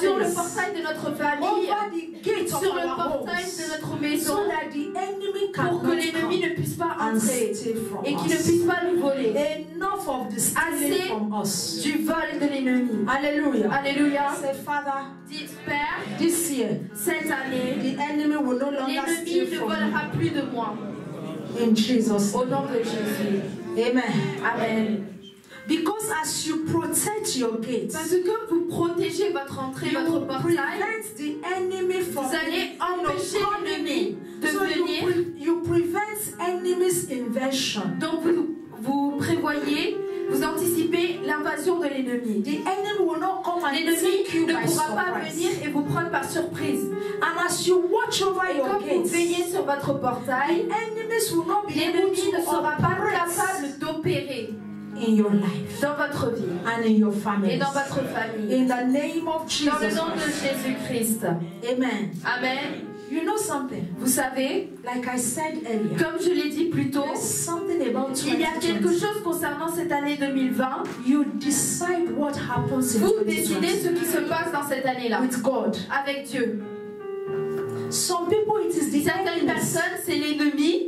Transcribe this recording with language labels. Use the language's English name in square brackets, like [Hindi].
[French] sur le portail de notre famille. [English] Over the gate [French] sur [English] of [French] le [English] our [French] portail [English] homes, [French] de notre maison. [English] So that the enemy can [French] pour que l'ennemi ne puisse pas entrer et qu'il ne puisse pas nous voler. [English] Enough of the stealing from us. [French] Du vol de l'ennemi. [English] Alléluia. [French] Alléluia. [English] Say, Father, [French] dites Père, [English] this year, [French] cette année, [English] the enemy will no longer steal from me. [French] L'ennemi ne volera plus de moi. [English] In Jesus. [French] Au nom de Jésus. [English] Amen. [French] Amen. [English] Because as you protect your gate, [French] parce que vous protégez votre entrée, [English] you [French] votre portail, [English] prevent the enemy from [French] vous allez empêcher l'ennemi de [English] so [French] venir. [English] You prevent enemy's invasion. [French] Donc vous prévoyez, vous anticipez l'invasion de l'ennemi. [English] The enemy will not come and [French] l'ennemi [English] take you [French] ne [English] by [French] pourra [English] surprise. [French] Pas venir et vous prendre par surprise. [English] And as you watch over [French] et [English] your [French] comme [English] gates, [French] vous veillez sur votre portail, [English] the enemies will not be [French] l'ennemi [English] able to [French] ne sera [English] operate. [French] Pas capable d'opérer. [English] In your life, [French] dans votre vie, [English] and in your family, [French] et dans votre famille, [English] in the name of Jesus, [French] dans le nom de Jésus Christ, [English] amen, [French] amen. [English] You know something? [French] Vous savez, [English] like I said earlier, [French] comme je l'ai dit plus tôt, [English] something about [French] 2020. Il y a quelque chose concernant cette année 2020. [English] You decide what happens in [French] vous décidez ce qui se passe dans cette année-là. [English] With God, [French] avec Dieu. [English] Some people, it is the [French] certaines personnes, c'est l'ennemi